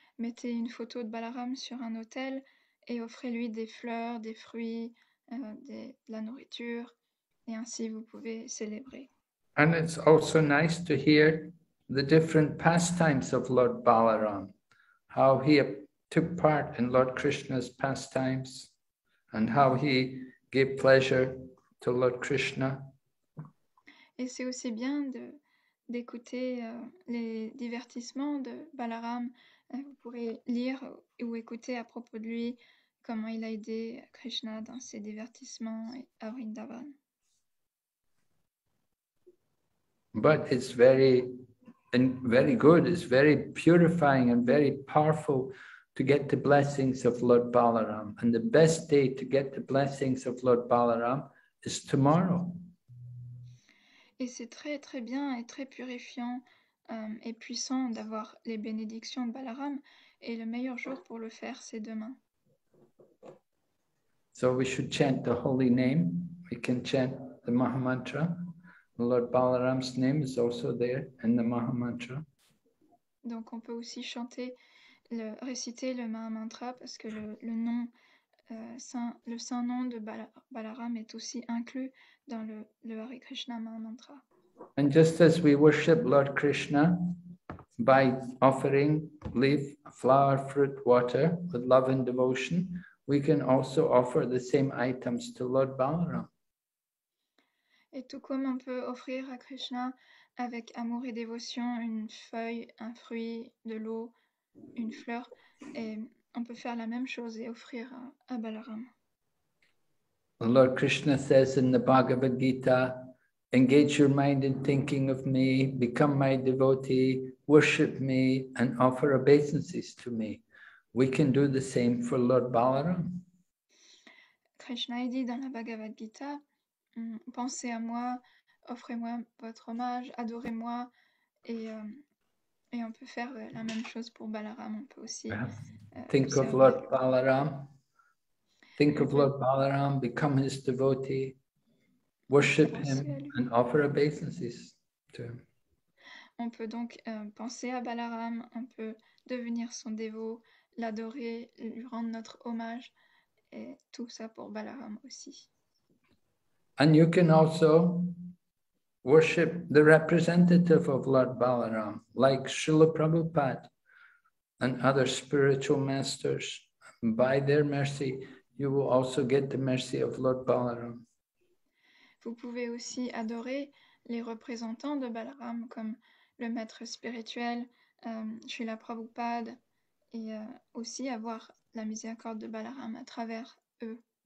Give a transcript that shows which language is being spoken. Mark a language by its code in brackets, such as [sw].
[fr] Mettez une photo de Balaram sur un autel et offrez-lui des fleurs, des fruits, de la nourriture, et ainsi vous pouvez célébrer. [en] And it's also nice to hear the different pastimes of Lord Balaram, how he took part in Lord Krishna's pastimes, and how he gave pleasure to Lord Krishna. [fr] Et c'est aussi bien d'écouter les divertissements de Balaram. Vous pourrez lire ou écouter à propos de lui comment il a aidé Krishna dans ses divertissements à Vrindavan. [en] But it's very good, it's very purifying and very powerful to get the blessings of Lord Balaram. And the best day to get the blessings of Lord Balaram is tomorrow. [fr] Et c'est très très bien et très purifiant et puissant d'avoir les bénédictions de Balaram, et le meilleur jour pour le faire, c'est demain. [en] So we should chant the holy name. We can chant the Maha Mantra. Lord Balaram's name is also there in the Maha Mantra. [fr] Donc on peut aussi chanter, réciter le Maha Mantra, parce que le saint nom de Balaram est aussi inclus dans le Hare Krishna Maha Mantra. [en] And just as we worship Lord Krishna by offering leaf, flower, fruit, water with love and devotion, we can also offer the same items to Lord Balaram. [fr] Et tout comme on peut offrir à Krishna avec amour et dévotion une feuille, un fruit, de l'eau, une fleur, et on peut faire la même chose et offrir à Balaram. [en] Lord Krishna says in the Bhagavad Gita, engage your mind in thinking of me, become my devotee, worship me, and offer obeisances to me. We can do the same for Lord Balaram. [fr] Krishna dit dans la Bhagavad Gita, pensez à moi, offrez-moi votre hommage, adorez-moi, et on peut faire la même chose pour Balaram. On peut aussi [en] think of Lord Balaram, Think of Lord Balaram, become his devotee, worship him and offer obeisances to him. [fr] On peut donc penser à Balaram, on peut devenir son dévot, l'adorer, lui rendre notre hommage, et tout ça pour Balaram aussi. [en] And you can also worship the representative of Lord Balaram, like Srila Prabhupada and other spiritual masters. By their mercy, you will also get the mercy of Lord Balaram. [fr] Vous pouvez aussi adorer les représentants de Balaram, comme le maître spirituel, Srila Prabhupada, et aussi avoir la miséricorde de Balaram à travers eux.